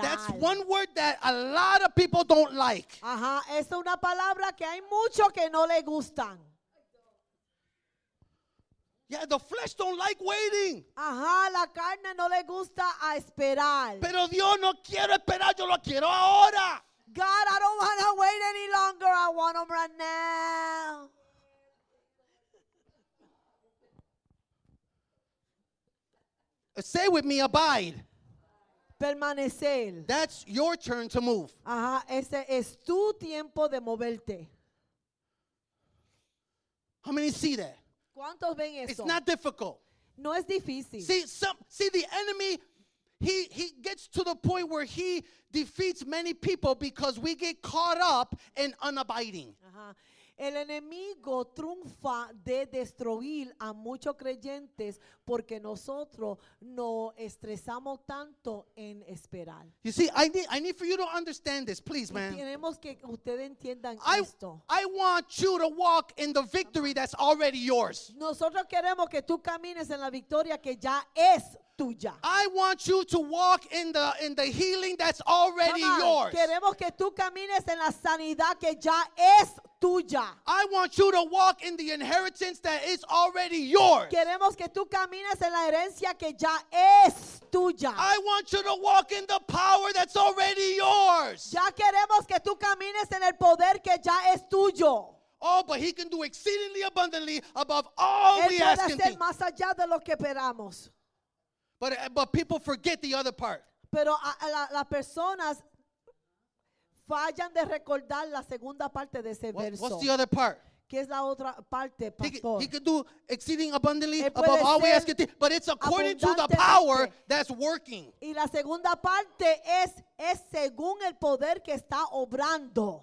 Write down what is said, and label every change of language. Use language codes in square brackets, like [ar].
[en] That's one word that a lot of people don't like. [es] Ajá, es una palabra que hay mucho que no le gustan. [en] Yeah, the flesh don't like waiting. [es] Ajá, la carne no le gusta a esperar. Pero Dios, no quiero esperar, yo lo quiero ahora. [en] God, I don't want to wait any longer. I want them right now. Say with me, abide. [es] Permanecer. [en] That's your turn to move. [es] Ajá, ese es tu tiempo de moverte. [en] How many see that? [es] ¿Cuántos ven eso? [en] It's not difficult. [es] No es difícil. [en] See the enemy, he gets to the point where he defeats many people because we get caught up in unabiding. Ajá. [es] El enemigo triunfa de destruir a muchos creyentes porque nosotros nos estresamos tanto en esperar. [en] You see, I need for you to understand this, please, man. [es] Tenemos que ustedes entiendan esto. [en] I want you to walk in the victory that's already yours. [es] Nosotros queremos que tú camines en la victoria que ya es tuya. [en] I want you to walk in the healing that's already yours. [es] Queremos que tú camines en la sanidad que ya es tuya. [en] I want you to walk in the inheritance that is already yours. [es] Queremos que tú camines en la herencia que ya es tuya. [en] I want you to walk in the power that's already yours. [es] Ya queremos que tú camines en el poder que ya es tuyo. [en] Oh, but he can do exceedingly abundantly above all we ask and think. [es] Más allá de lo que esperamos. [en] But people forget the other part. [es] Pero las personas fallan de recordar la segunda parte de ese verso. [en] What's the other part? [es] ¿Qué es la otra parte, pastor? [en] He can do exceeding abundantly above all we ask and think, but it's according to the power that's working. [es] Y la segunda parte es según el poder que está obrando.